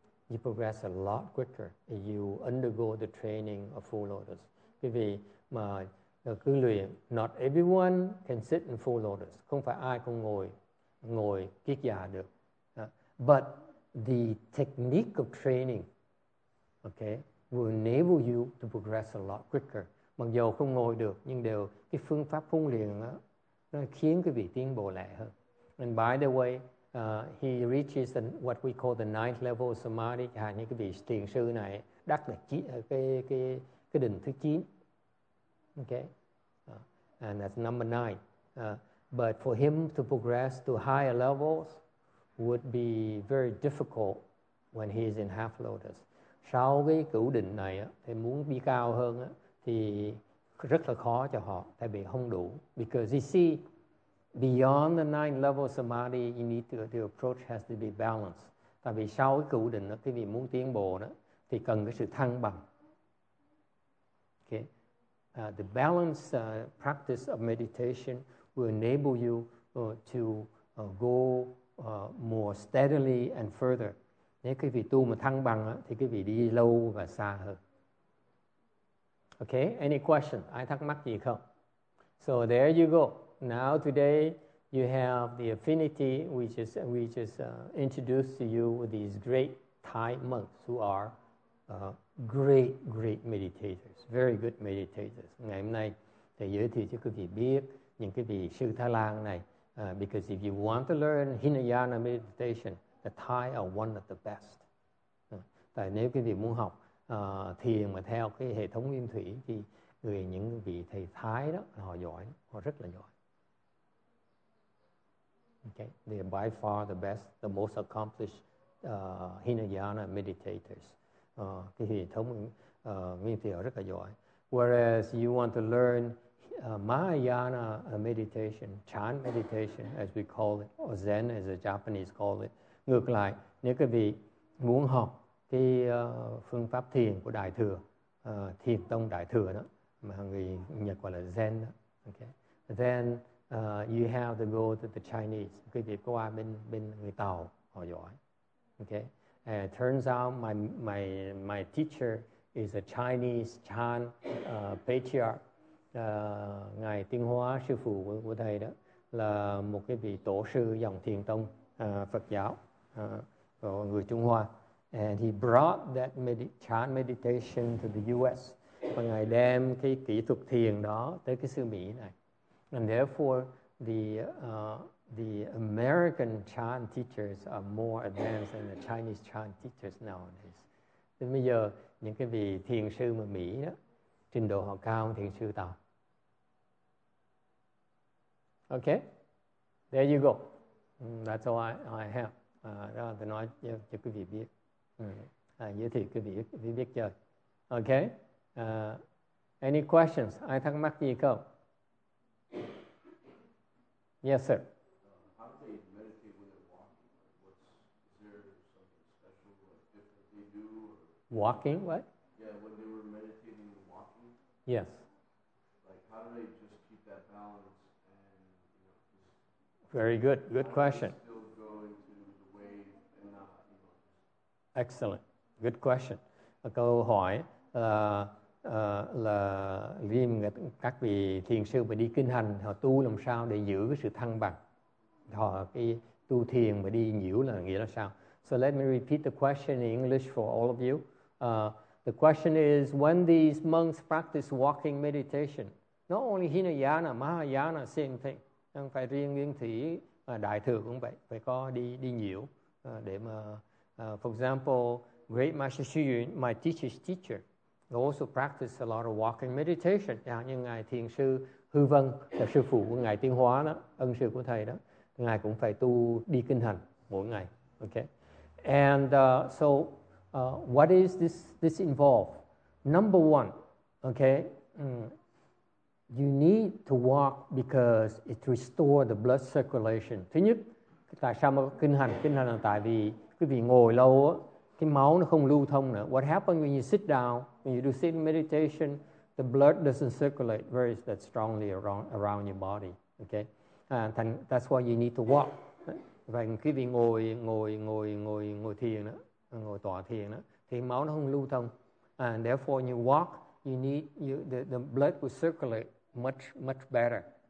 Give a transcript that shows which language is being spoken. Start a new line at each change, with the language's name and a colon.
English: You progress a lot quicker if you undergo the training of full lotus.
Vietnamese: Quý vị mà cứ luyện,
English: not everyone can sit in full lotus.
Vietnamese: Không phải ai cũng ngồi kiết già được.
English: But the technique of training, okay, will enable you to progress a lot quicker.
Vietnamese: Mặc dù không ngồi được, nhưng đều cái phương pháp huấn luyện đó, nó khiến quý vị tiến bộ lẹ hơn.
English: And by the way, he reaches what we call the ninth level of samadhi.
Vietnamese: À, như quý vị thiền sư này đắc là cái đỉnh thứ 9.
English: Okay? And that's number 9. But for him to progress to higher levels would be very difficult when he is in half lotus.
Vietnamese: Sau cái cửu định này á, thì muốn đi cao hơn á, thì rất là khó cho họ, tại vì không đủ.
English: Because you see, beyond the nine level samadhi, you need to approach has to be balanced.
Vietnamese: Tại vì sau cái cửu định, cái vị muốn tiến bộ đó, thì cần cái sự thăng bằng.
English: Okay. The balanced practice of meditation will enable you to go more steadily and further.
Vietnamese: Nếu cái vị tu mà thăng bằng đó, thì cái vị đi lâu và xa hơn.
English: Okay, any question?
Vietnamese: Ai thắc mắc gì không?
English: So there you go. Now today you have the affinity we just introduced to you with these great Thai monks who are great, great meditators, very good meditators.
Vietnamese: Ngày hôm nay thì giới thiệu cho quý vị biết những cái vị sư Thái Lan này.
English: Because if you want to learn Hinayana meditation, the Thai are one of the best.
Vietnamese: Tại nếu quý vị muốn học thiền mà theo cái hệ thống nguyên thủy thì người những vị thầy Thái đó họ giỏi, họ rất là giỏi.
English: Okay, they are by far the best, the most accomplished Hinayana meditators.
Vietnamese: Cái hệ thống nguyên thủy họ rất là giỏi.
English: Whereas you want to learn Mahayana meditation, Chan meditation as we call it, or Zen as the Japanese call it.
Vietnamese: Ngược lại, nếu quý vị muốn học cái phương pháp thiền của Đại Thừa, thiền tông Đại Thừa đó, mà người Nhật gọi là Zen đó.
English: Okay. Then you have to go to the Chinese.
Vietnamese: Quý vị qua bên người Tàu, họ giỏi. Okay.
English: And it turns out my teacher is a Chinese Chan patriarch.
Vietnamese: Ngài Tiên Hóa, sư phụ của thầy đó, là một cái vị tổ sư dòng thiền tông Phật giáo, của người Trung Hoa.
English: And he brought that Chan meditation to the U.S.
Vietnamese: và ngài đem cái kỹ thuật thiền đó tới cái xứ Mỹ này.
English: And therefore, the American Chan teachers are more advanced than the Chinese Chan teachers nowadays.
Vietnamese: Thế bây giờ những cái vị thiền sư mà Mỹ đó trình độ họ cao hơn thiền sư Tàu.
English: Okay, there you go. That's all I have.
Vietnamese: Đó là tôi nói cho quý vị biết. Giới thiệu quý vị biết chơi.
English: Okay. Any questions?
Vietnamese: Ai thắc mắc gì không?
English: Yes, sir. How do they meditate when they're walking? Is there something special or different they do? Or walking? What? Yeah, when they were meditating and walking. Yes. Like, how do they just keep that balance? And very good. Good question. Excellent. Good question.
Vietnamese: Câu hỏi là riêng các vị thiền sư mà đi kinh hành họ tu làm sao để giữ cái sự thăng bằng, họ cái tu thiền mà đi nhiễu là nghĩa là sao?
English: So let me repeat the question in English for all of you. The question is, when these monks practice walking meditation, not only Hinayana, Mahayana, same thing.
Vietnamese: Không phải riêng viên thủy đại thừa cũng vậy, phải có đi nhiễu để mà,
English: for example, great Master Xu Yun, my teacher's teacher, also practice a lot of walking meditation.
Vietnamese: Yeah, nhưng ngài thiền sư Hư Vân là sư phụ của ngài Tiên Hóa đó, ân sư của thầy đó, ngài cũng phải tu đi kinh hành mỗi ngày.
English: Okay. And so what is this involve? Number one, okay? You need to walk because it restores the blood circulation.
Vietnamese: Thứ nhất, tại sao mà kinh hành? Kinh hành là tại vì quý vị ngồi lâu á, cái máu nó không lưu thông nữa.
English: What happens when you sit down, when you do sit meditation, the blood doesn't circulate very that strongly around your body. Okay? And that's why you need to walk.
Vietnamese: Và quý vị ngồi thiền đó, ngồi tọa thiền đó, thì máu nó không lưu thông.
English: And therefore, you walk, the blood will circulate much, much better.